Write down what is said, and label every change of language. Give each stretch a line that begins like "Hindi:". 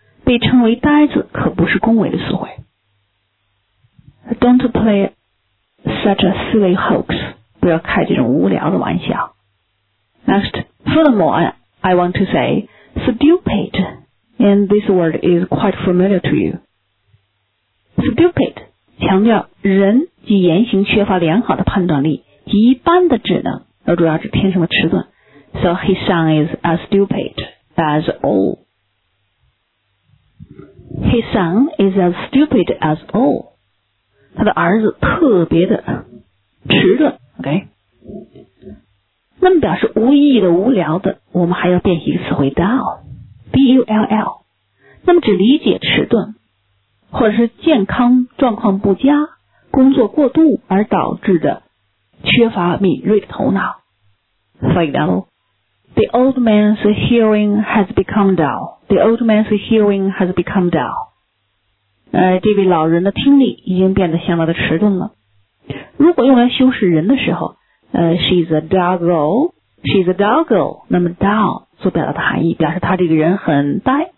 Chinese: 被称为呆子可不是恭维的词汇。
English: Don't play such a silly hoax.
Chinese: 不要开这种无聊的玩笑。
English: Next, furthermore, I want to say, stupid, and this word is quite familiar to you.
Chinese: Stupid, 强调人及言行缺乏良好的判断力。一般的智能，而主要是天生的迟钝。
English: So his son is as stupid as all. His son is as stupid as all.
Chinese: 他的儿子特别的迟钝。OK. 那么表示无意义的、无聊的，我们还要变习一个词汇 dull, D-U-L-L. 那么只理解迟钝，或者是健康状况不佳、工作过度而导致的。缺乏敏锐的头脑。
English: For example, the old man's hearing has become dull. The old man's hearing has become dull.
Chinese: 这位老人的听力已经变得相当的迟钝了。如果用来修饰人的时候，
English: she's a dull girl. She's a dull girl.
Chinese: 那么 dull 所表达的含义表示他这个人很呆。